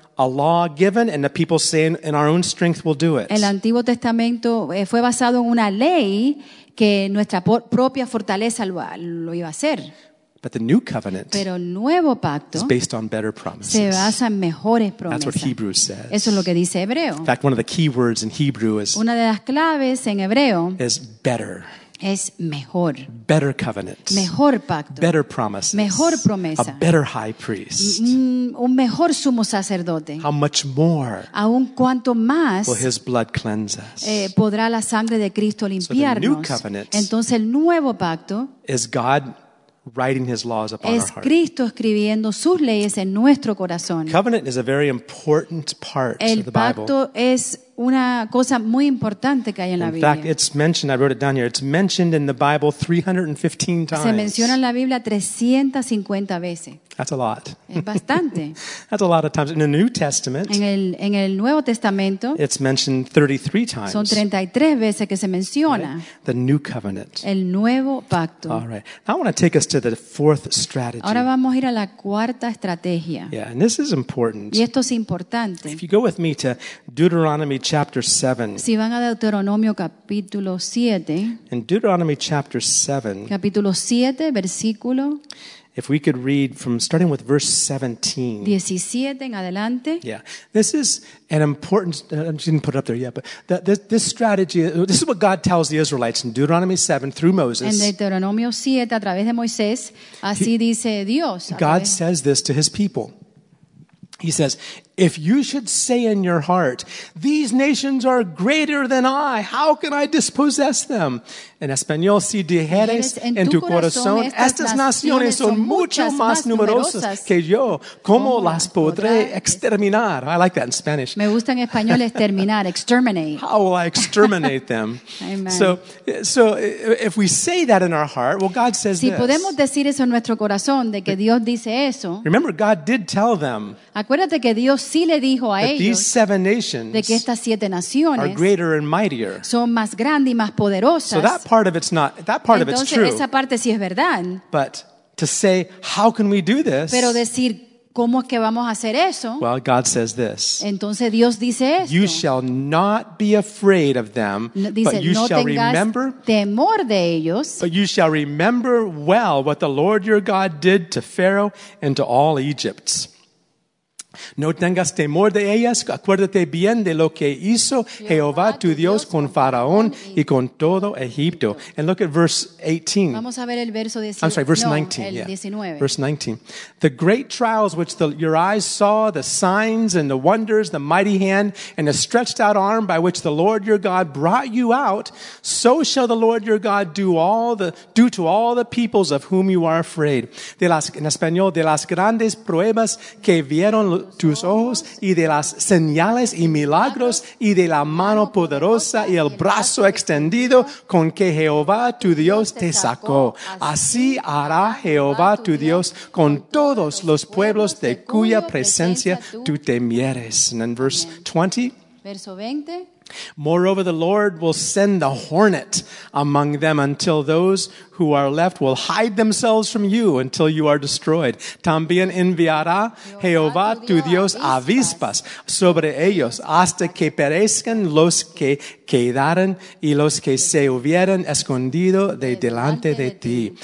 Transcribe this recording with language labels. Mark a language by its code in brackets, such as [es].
[en] a law given and the people saying in our own strength we'll do it. [es] El Antiguo Testamento fue basado en una ley que nuestra propia fortaleza lo iba a hacer. [en] But the new covenant is based on better promises. [es] Se basa en mejores promesas. [en] That's what Hebrews says. [es] Eso es lo que dice Hebreo. [en] In fact, one of the key words in Hebrew is, [es] una de las claves en Hebreo [en] is better. [es] Es mejor. [en] Better covenant. [es] Mejor pacto. [en] Better promises. [es] Mejor promesa. [en] A better high priest. [es] Un mejor sumo sacerdote. [en] How much more? [es] Aún cuanto más. [en] Will his blood cleanse us? [es] Podrá la sangre de Cristo limpiarnos. [en] So the new covenant. [es] Entonces el nuevo pacto. [en] Is God writing his laws upon our heart. [es] Es Cristo escribiendo sus leyes en nuestro corazón. [en] Covenant is a very important part of the Bible. [es] El pacto es una cosa muy importante que hay en la Biblia. [en] In fact, it's mentioned, I wrote it down here, it's mentioned in the Bible 315 times. [es] Se menciona en la Biblia 350 veces. [en] That's a lot. [es] Es bastante. [en] That's a lot of times. In the New Testament, [es] en el Nuevo Testamento, [en] it's mentioned 33 times. [es] Son 33 veces que se menciona. [en] Right? The New Covenant. [es] El Nuevo Pacto. [en] All right. Now I want to take us to the fourth strategy. [es] Ahora vamos a ir a la cuarta estrategia. [en] Yeah, and this is important. [es] Y esto es importante. [en] If you go with me to Deuteronomy chapter 7. [es] Si van a Deuteronomio capítulo 7. [en] In Deuteronomy chapter 7. [es] Capítulo 7, versículo. [en] If we could read from starting with verse 17. [es] 17 en adelante. [en] Yeah. This is an important, I didn't put it up there yet, but this strategy, this is what God tells the Israelites in Deuteronomy 7 through Moses. [es] En Deuteronomio 7 a través de Moisés, así dice Dios. [en] God says this to his people. He says, if you should say in your heart, these nations are greater than I, how can I dispossess them? [es] En español, si dijeres en tu corazón, estas naciones son mucho más numerosas que yo, ¿cómo las podré exterminar? [en] I like that in Spanish. [es] Me gusta en español exterminar, exterminate. [en] How will I exterminate them? Amen. So if we say that in our heart, well, God says [es] this. Si podemos decir eso en nuestro corazón, de que Dios dice eso. [en] Remember, God did tell them. [es] Acuérdate que Dios sí le dijo a ellos, [en] these seven nations, [es] de que estas siete naciones [en] are greater and mightier, [es] son más grandes y más poderosas. [en] So that part of it's not, that part [es] entonces, [en] of it's true. [es] Esa parte sí es verdad. [en] But to say, how can we do this? [es] Pero decir, ¿cómo es que vamos a hacer eso? [en] Well, God says this. [es] Entonces Dios dice esto. [en] You shall not be afraid of them, [es] dice, [en] but you [es] no [en] shall remember [es] temor de ellos, [en] but you shall remember well what the Lord your God did to Pharaoh and to all Egypt. [es] No tengas temor de ellas, acuérdate bien de lo que hizo Jehová tu Dios con Faraón y con todo Egipto. [en] And look at verse 18. [es] Vamos a ver el verso 19. [en] I'm sorry, verse 19. Yeah. Verse 19. The great trials which your eyes saw, the signs and the wonders, the mighty hand and the stretched out arm by which the Lord your God brought you out, so shall the Lord your God do to all the peoples of whom you are afraid. [es] En español, de las grandes pruebas que vieron tus ojos y de las señales y milagros y de la mano poderosa y el brazo extendido con que Jehová tu Dios te sacó. Así hará Jehová tu Dios con todos los pueblos de cuya presencia tú temieres. [en] And then verse 20. [es] Verso 20. [en] Moreover, the Lord will send the hornet among them until those who are left will hide themselves from you until you are destroyed. [es] También enviará Jehová tu Dios avispas sobre ellos hasta que perezcan los que quedaron y los que se hubieran escondido de delante de ti.